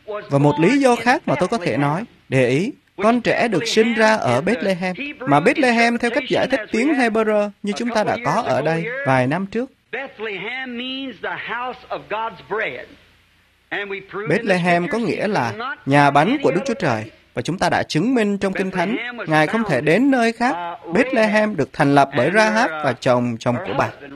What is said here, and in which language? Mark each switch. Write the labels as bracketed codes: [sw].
[vi] Và một lý do khác mà tôi có thể nói, để ý, con trẻ được sinh ra ở Bethlehem, mà Bethlehem theo cách giải thích tiếng Hebrew như chúng ta đã có ở đây vài năm trước, [en] Bethlehem means the house of God's bread. [vi] Bethlehem có nghĩa là nhà bánh của Đức Chúa Trời. Và chúng ta đã chứng minh trong Kinh Thánh, Ngài không thể đến nơi khác. Bethlehem được thành lập bởi Rahab và chồng của bà.